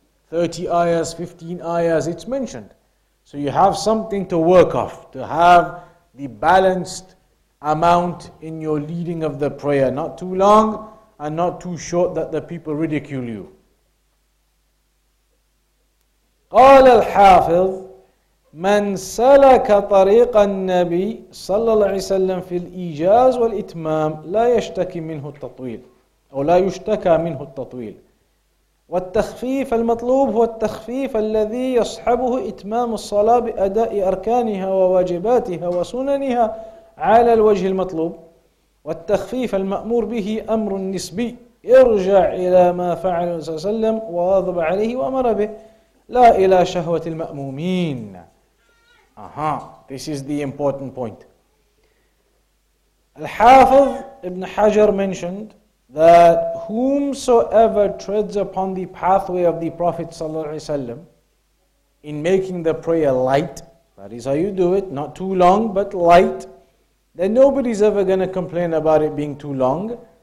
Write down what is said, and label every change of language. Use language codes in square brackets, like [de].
[en] 30 ayahs, 15 ayahs, it's mentioned. So you have something to work off, to have the balanced amount in your leading of the prayer. Not too long and not too short that the people ridicule you. [ar] قال الحافظ من سلك طريق النبي صلى الله عليه وسلم في الإيجاز والإتمام لا يشتكي منه التطويل أو لا يشتكى منه التطويل والتخفيف المطلوب هو التخفيف الذي يصحبه إتمام الصلاة بأداء أركانها وواجباتها وسننها على الوجه المطلوب والتخفيف المأمور به أمر نسبي ارجع إلى ما فعل صلى الله عليه وسلم وغضب عليه وأمر به لا إلى شهوة المأمومين. [en] Aha, this is the important point. Al-Hafiz Ibn Hajar mentioned that whomsoever treads upon the pathway of the Prophet ﷺ in making the prayer light, that is how you do it, not too long but light, then nobody's ever going to complain about it being too long.